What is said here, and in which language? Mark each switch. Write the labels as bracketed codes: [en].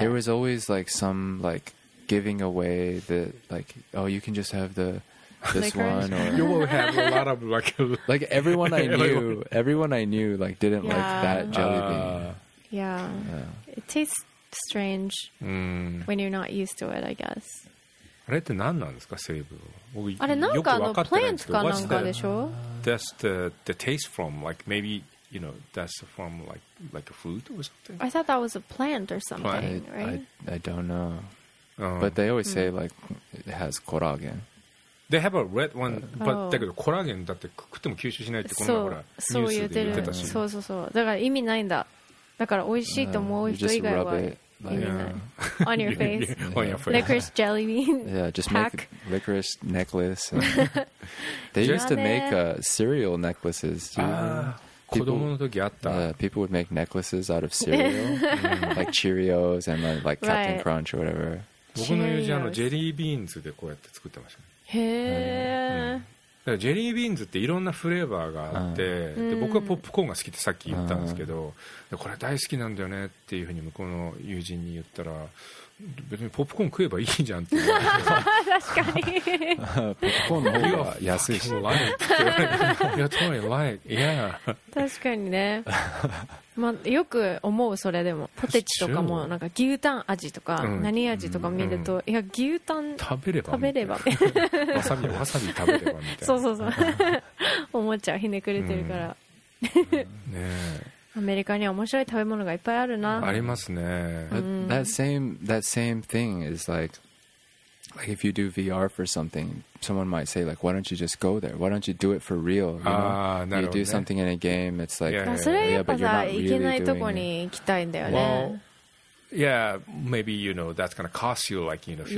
[en] There was always like some like giving away the like, oh, you can just have the... this licorice. One or you will have a lot of like like everyone I knew like didn't like that jelly bean. It tastes strange when you're not used to it, I guess. [ja] あれって何なんですか、成分。あれなんかあのプレーンかなんかでしょ。 [en] That's the taste from like maybe you know that's from like a fruit or something. I thought that was a plant or something, right? I don't know, but they always say like it has collagen. They have a red one, but [ja] だけどコラーゲンだって食っても吸収しないってこのほらニュースで言ってたし、そうそうそう、だから意味ないんだ。だから美味しいと思う人以外は意味ない。 [en] On your face, licorice jelly bean. Yeah, just make licorice necklace. They used to make cereal necklaces. [ja] 子供の時あった。 [en] People would make necklaces out of cereal, like Cheerios and like Captain Crunch or whatever. [ja] 僕の友人あのジェリービーンズでこうやって作ってました。へー、だからジェリービーンズっていろんなフレーバーがあって、で僕はポップコーンが好きってさっき言ったんですけど、これ大好きなんだよねっていうふうに向こうの友人に言ったら、別にポップコーン食えばいいじゃんって確かにポップコーンの方が安いし [en] You're totally right. Yeah. [ja] 確かにね、まあ、よく思うそれでもポテチとかもなんか牛タン味とか何味とか見ると、うんうん、いや牛タン食べれば食べればわさびわさび食べればみたいなそうそうそうおもちゃひねくれてるから、うん、ねえアメリカには面白い食べ物がいっぱいあるなありますね、 [en] うん、that same thing is like if you do VR for something someone might say like why don't you just go there why don't you do it for real you know、 [ja] ね、 [en] you do something in a game it's like yeah, yeah, yeah. yeah but you're not really doing it [ja] いけないとこに行きたいんだよね [en] well yeah maybe you know that's gonna cost you like you know a few